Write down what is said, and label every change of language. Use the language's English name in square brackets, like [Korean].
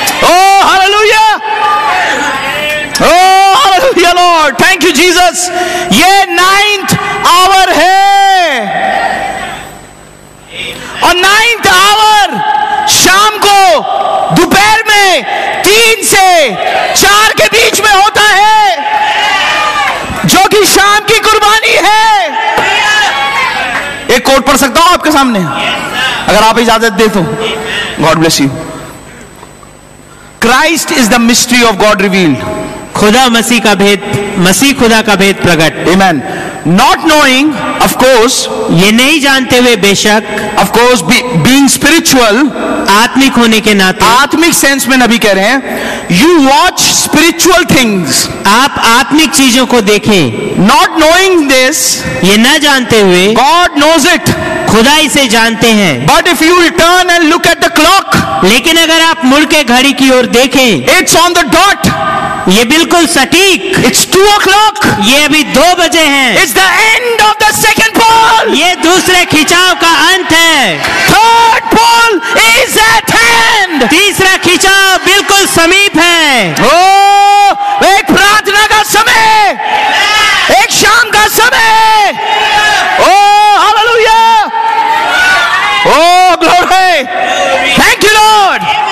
[Hindi] O hallelujah, O hallelujah Lord, [English] thank you Jesus, [Hindi] ये ninth our है, और ninth our शाम को दोपहर में 3 से 4 के बीच में होता है, जो कि शाम की कुर्बानी है। एक कोट पढ़ सकता हूं आपके सामने, अगर आप इजाजत दे तो। [English] God bless you. Christ is the mystery of God revealed. [Hindi] खुदा मसीह का भेद, मसीह खुदा का भेद प्रकट। [English] Amen. Not knowing, of course, [Hindi] ये नहीं जानते हुए बेशक, [English] of course, being spiritual, [Hindi] आत्मिक होने के नाते, आत्मिक सेंस में नबी कह रहे हैं, [English] you watch spiritual things, [Hindi] आप आत्मिक चीजों को देखें, [English] not knowing this, [Hindi] ये न जानते हुए, [English] God knows it, [Hindi] खुदा इसे जानते हैं, [English] but if you return and look at the clock, [Hindi] लेकिन अगर आप मुड़ के घड़ी की ओर देखें, [English] it's on the dot. [Hindi] ये बिल्कुल सटीक। [English] It's 2 o'clock. [Hindi] ये अभी 2 बजे हैं। [English] It's the end of the second poll. [Hindi] ये दूसरे खिंचाव का अंत है। [English] Third poll is at hand. [Hindi] तीसरा खिंचाव बिल्कुल समीप है। Oh, एक प्रार्थना का समय, एक शाम का समय। [English] Oh, hallelujah. Oh, glory. Thank you, Lord.